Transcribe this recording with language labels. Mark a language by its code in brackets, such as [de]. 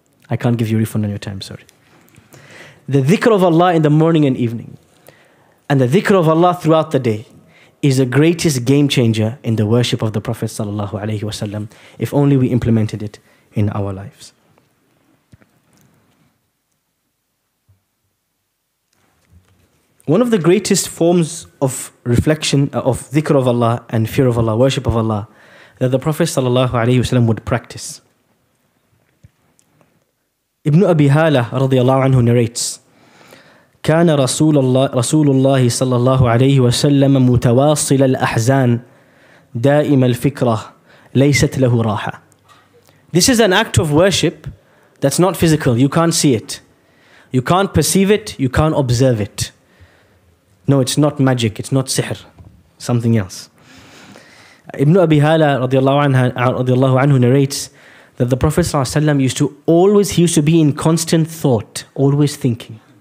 [en] I can't give you a refund on your time, sorry. The dhikr of Allah in the morning and evening, and the dhikr of Allah throughout the day, is the greatest game changer in the worship of the Prophet sallallahu alaihi wasallam, if only we implemented it in our lives. One of the greatest forms of reflection, of dhikr of Allah and fear of Allah, worship of Allah, that the Prophet sallallahu alaihi wasallam would practice. Ibn Abi Hala radiallahu anhu narrates, [ar] كان رسول الله صلى الله عليه وسلم متواصل الأحزان دائم الفكرة ليست له راحة. [en] This is an act of worship that's not physical. You can't see it. You can't perceive it. You can't observe it. No, it's not magic. It's not sihr. Something else. Ibn Abi Hala رضي الله عنه narrates that the Prophet صلى الله عليه وسلم used to be in constant thought, always thinking.